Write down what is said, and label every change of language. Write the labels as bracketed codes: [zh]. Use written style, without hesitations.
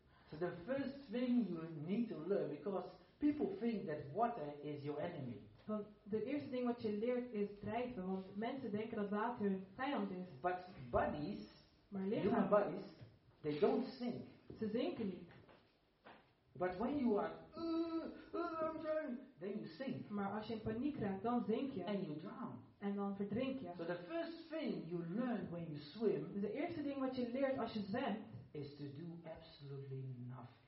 [en] So the first thing you need to learn, because people think that water is your enemy. [nl] Want de eerste ding wat je leert is drijven, want mensen denken dat water hun vijand is. [en] But bodies, [nl] maar lichaam, [en] human bodies, they don't sink. [nl] Ze zinken niet. [en] But when you are, I'm drowning, then you sink. [nl] Maar als je in paniek raakt, dan zink je. [en] And you drown. [nl] En dan verdrink je. [en] So the first thing you learn when you swim. [nl] Dus de eerste ding wat je leert als je zwemt. [en] Is to do absolutely nothing.